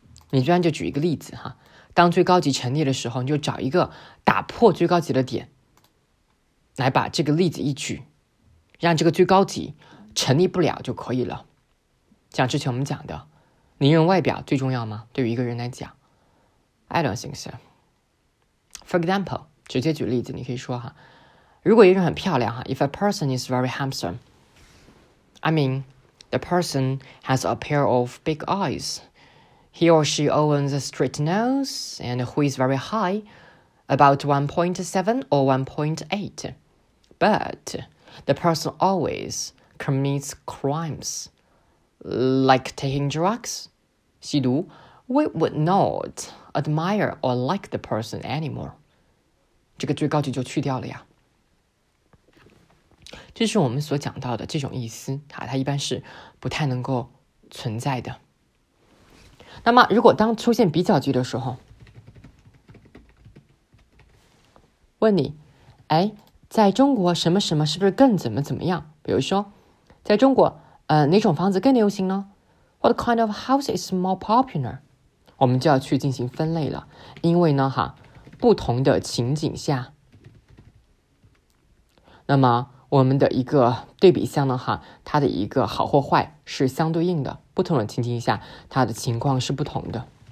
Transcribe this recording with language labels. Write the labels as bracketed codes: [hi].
[zh] 你居然就举一个例子哈，当最高级陈列的时候，你就找一个打破最高级的点来把这个例子一举，让这个最高级成立不了就可以了。像之前我们讲的，你用外表最重要吗？对于一个人来讲 [en] I don't think so. For example, [zh] 直接举例子，你可以说哈，如果一个人很漂亮哈， [en] If a person is very handsome, I mean, the person has a pair of big eyes, he or she owns a straight nose, and who is very high, about 1.7 or 1.8. But the person alwayscommits crimes like taking drugs, 吸毒, we would not admire or like the person anymore. [zh] 这个最高级就去掉了呀。这是我们所讲到的这种意思，它一般是不太能够存在的。那么如果当出现比较级的时候，问你，哎，在中国什么什么是不是更怎么怎么样，比如说在中国哪种房子更流行呢？ [en] What kind of house is more popular? [zh] 我们就要去进行分类了，因为呢哈，不同的情景下，那么我们的一个对比项呢哈，它的一个好或坏是相对应的，不同的情景下它的情况是不同的。